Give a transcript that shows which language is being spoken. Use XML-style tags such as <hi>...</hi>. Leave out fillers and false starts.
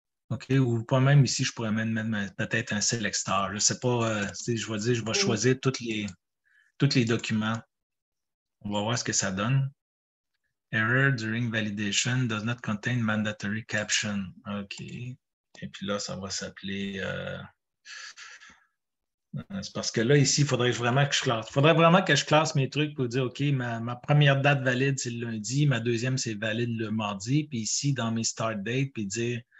<fr>OK, ou pas même ici, je pourrais même mettre peut-être un select star. Je ne sais pas, si je vais dire, je vais choisir tous les documents. On va voir ce que ça donne.</fr> <en>Error during validation does not contain mandatory caption.</en> <fr>OK. Et puis là, ça va s'appeler... c'est parce que là, ici, il faudrait vraiment que je classe. Il faudrait vraiment que je classe mes trucs pour dire, OK, ma première date valide, c'est le lundi. Ma deuxième, c'est valide le mardi. Puis ici, dans mes start date, puis dire...</fr>